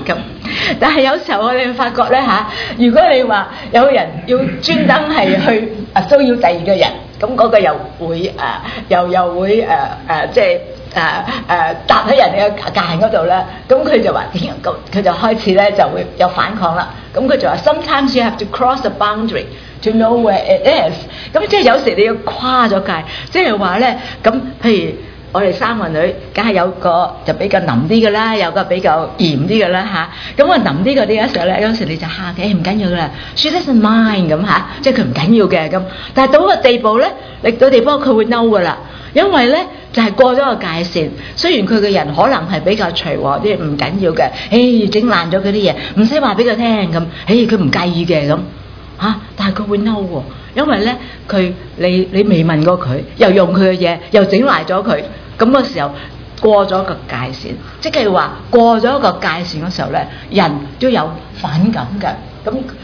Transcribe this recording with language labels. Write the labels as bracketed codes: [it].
[yue] 咁但係有時候我哋發覺咧嚇，如果你話有人要專登係去騷擾第二個人，咁嗰個又會又會即係。搭喺人哋嘅架喺嗰度咧，咁佢就話點樣？佢就開始咧就會有反抗啦。咁佢就話 ： [en] Sometimes you have to cross the boundary to know where it is。 [yue] 咁即係有時你要跨咗界，即係話咧，咁譬如我哋三個女，梗係有個就比較腍啲嘅啦，有個比較鹽啲嘅啦嚇。咁我腍啲嗰啲嘅時候咧，有時你就嚇嘅，唔緊要嘅啦。 [en] She doesn't mind [yue] 咁嚇，即係佢唔緊要嘅咁。但係到個地步咧，力到地步佢會嬲嘅啦。因為咧就係、是、過咗個界線，雖然佢嘅人可能係比較隨和啲，唔緊要嘅，整爛咗嗰啲嘢，唔使話俾佢聽咁，佢唔介意嘅咁，嚇、啊，但係佢會嬲喎，因為咧佢你未問過佢，又用佢嘅嘢，又整壞咗佢，咁嘅時候過咗個界線，即係話過咗個界線嘅時候咧，人都有反感嘅，